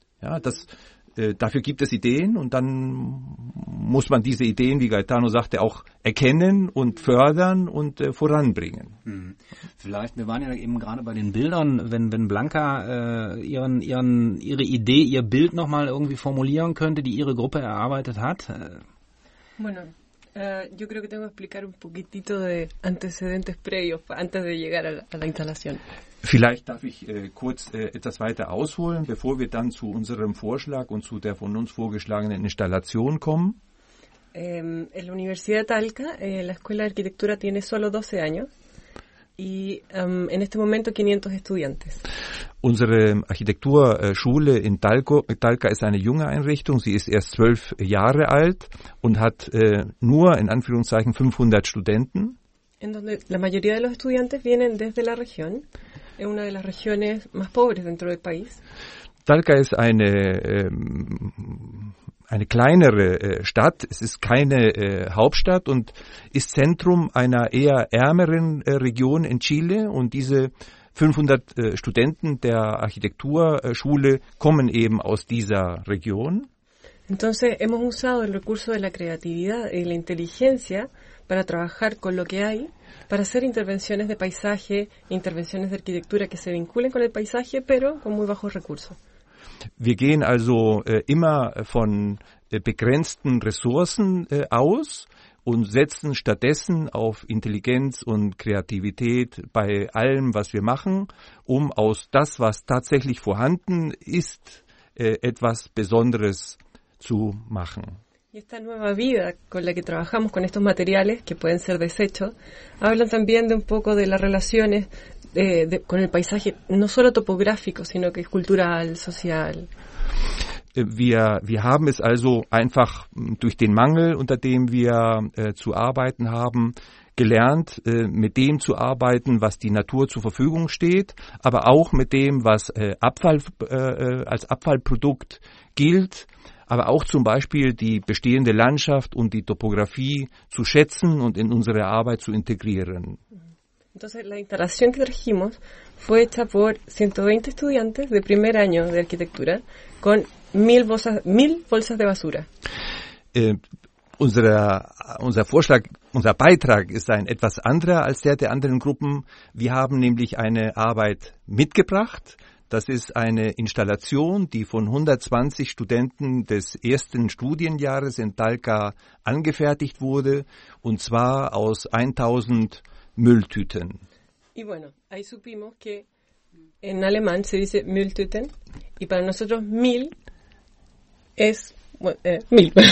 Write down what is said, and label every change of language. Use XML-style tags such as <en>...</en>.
<de>Ja, das dafür gibt es Ideen und dann muss man diese Ideen, wie Gaetano sagte, auch erkennen und fördern und voranbringen. Vielleicht, wir waren ja eben gerade bei den Bildern, wenn Blanka ihre Idee, ihr Bild nochmal irgendwie formulieren könnte, die ihre Gruppe erarbeitet hat.</de> <es>Bueno, Yo creo que tengo que explicar un poquitito de antecedentes previos, antes de llegar a la instalación.</es> <de>Vielleicht darf ich kurz etwas weiter ausholen, bevor wir dann zu unserem Vorschlag und zu der von uns vorgeschlagenen Installation kommen.</de> <es>En la Universidad de Talca, la Escuela de Arquitectura tiene solo 12 años y en este momento 500 estudiantes.</es> <de>Unsere Architekturschule in Talca ist eine junge Einrichtung. Sie ist erst 12 Jahre alt und hat nur in Anführungszeichen 500 Studenten.</de> <es>En donde la mayoría de los estudiantes vienen desde la región, es una de las regiones más pobres dentro del país.</es> <de>Talca ist eine eine kleinere Stadt, es ist keine Hauptstadt und ist Zentrum einer eher ärmeren Region in Chile. Und diese 500 Studenten der Architekturschule kommen eben aus dieser Region.</de> <es>Entonces hemos usado el recurso de la creatividad y la inteligencia para trabajar con lo que hay, para hacer intervenciones de paisaje, intervenciones de arquitectura que se vinculen con el paisaje, pero con muy bajos recursos.</es> <de>Wir gehen also immer von begrenzten Ressourcen aus und setzen stattdessen auf Intelligenz und Kreativität bei allem, was wir machen, um aus das, was tatsächlich vorhanden ist, etwas Besonderes zu machen.</de> <es>Y esta nueva vida con la que trabajamos con estos materiales, que pueden ser desechos, hablan también de un poco de las relaciones con el paisaje, no solo topográfico, sino que es cultural, social.</es> <de>Wir haben es also einfach durch den Mangel, unter dem wir zu arbeiten haben, gelernt, mit dem zu arbeiten, was die Natur zur Verfügung steht, aber auch mit dem, was als Abfallprodukt gilt, aber auch zum Beispiel die bestehende Landschaft und die Topografie zu schätzen und in unsere Arbeit zu integrieren.</de> <es>Entonces, la instalación que trajimos fue hecha por 120 estudiantes de primer año de arquitectura con 1000 bolsas de basura.</es> <de>Unser Beitrag ist ein etwas anderer als der anderen Gruppen. Wir haben nämlich eine Arbeit mitgebracht. Das ist eine Installation, die von 120 Studenten des ersten Studienjahres in Talca angefertigt wurde, und zwar aus 1000 Mülltüten.</de> <es>Y bueno, ahí supimos que en alemán se dice Mülltüten y para nosotros 1000 es mil.</es>